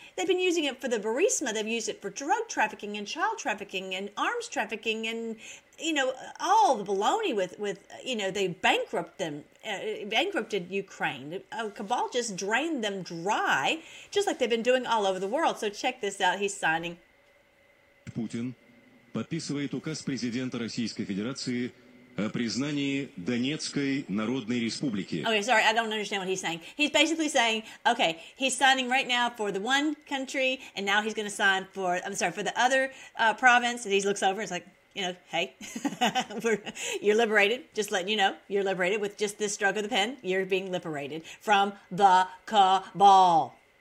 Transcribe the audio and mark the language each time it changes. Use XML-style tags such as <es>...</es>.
<en>They've been using it for the Burisma. They've used it for drug trafficking and child trafficking and arms trafficking and, you know, all the baloney with you know, they bankrupt them, bankrupted Ukraine. A cabal just drained them dry, just like they've been doing all over the world. So check this out. He's signing.</en> <ru>Putin подписывает указ президента Российской Федерации о признании Донецкой Народной Республики.</ru> <en>Okay, sorry, I don't understand what he's saying. He's basically saying, okay, he's signing right now for the one country, and now he's going to sign for, I'm sorry, for the other province. And he looks over, it's like, you know, hey, you're liberated. Just letting you know, you're liberated with just this stroke of the pen. You're being liberated from the cabal.</en>